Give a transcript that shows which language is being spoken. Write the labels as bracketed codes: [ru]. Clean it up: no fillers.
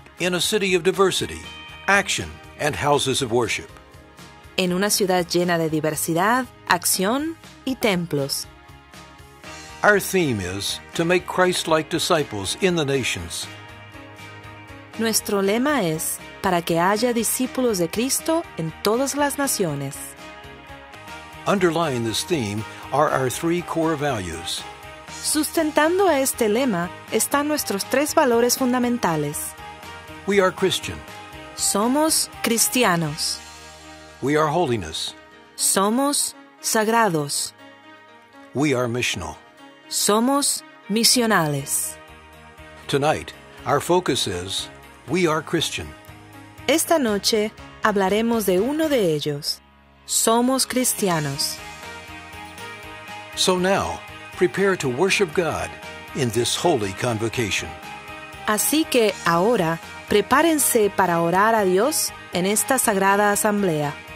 [en] In a city of diversity, action, and houses of worship. [es] En una ciudad llena de diversidad, acción y templos. [en] Our theme is to make Christ-like disciples in the nations. [es] Nuestro lema es para que haya discípulos de Cristo en todas las naciones. [en] Underlying this theme are our three core values. [es] Sustentando a este lema están nuestros tres valores fundamentales. [en] We are Christian. [es] Somos cristianos. [en] We are holiness. [es] Somos sagrados. [en] We are missional. [es] Somos misionales. [en] Tonight, our focus is we are Christian. [es] Esta noche hablaremos de uno de ellos. Somos cristianos. [en] So now, prepare to worship God in this holy convocation. [es] Así que ahora, prepárense para orar a Dios en esta sagrada asamblea.